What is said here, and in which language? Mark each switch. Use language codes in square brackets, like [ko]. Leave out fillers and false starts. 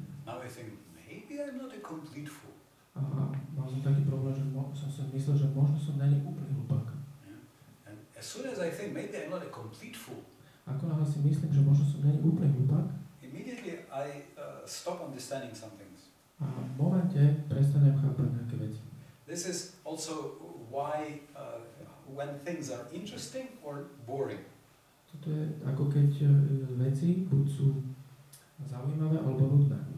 [en] Now I think, maybe I'm not a complete fool. [sk] A mal som taký problém, že som si myslel, že možno som není úplný hlupák. [en] And as soon as I think maybe I'm not a complete fool. [sk] Ako náhle si myslím, že možno som není úplný hlupák. [en] Immediately I stop understanding some things. [sk] A v momente prestanem chápať nejaké veci. [en] This is also why when things are interesting or boring. [sk] Toto je ako keď veci buď sú zaujímavé alebo nudné.